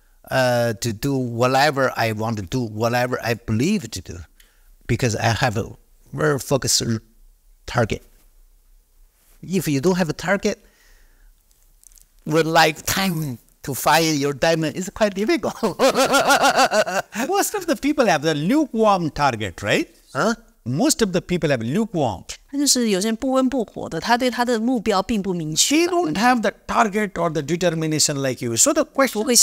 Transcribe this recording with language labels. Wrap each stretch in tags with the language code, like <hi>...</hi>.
<en>To do whatever I want to do, whatever I believe to do, because I have a very focused target. If you don't have a target, with lifetime to find your diamond is quite difficult. Most of the people have the lukewarm target, right? Huh? Most of the people have lukewarm.</en> <zh>就是有些人不温不火的, 他对他的目标并不明确吧,</zh> <en>they don't have the target or the determination like you. So the question...</en>